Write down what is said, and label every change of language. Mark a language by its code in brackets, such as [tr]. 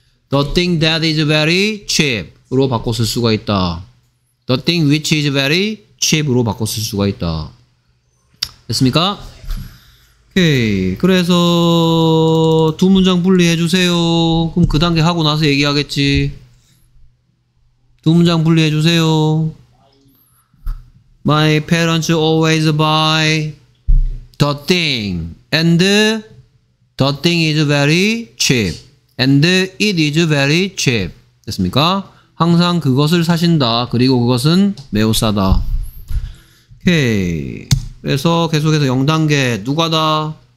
[en] The thing that is very cheap으로 [ko] 바꿔 쓸 수가 있다. [en] The thing which is very cheap으로 [ko] 바꿔 쓸 수가 있다. 됐습니까? 오케이. 그래서 두 문장 분리해 주세요. 그럼 그 단계 하고 나서 얘기하겠지. 두 문장 분리해 주세요. [en] My parents always buy the thing and the thing is very cheap and it is very cheap. [ko] 됐습니까? 항상 그것을 사신다. 그리고 그것은 매우 싸다. 오케이. 그래서 계속해서 0단계 누가 다?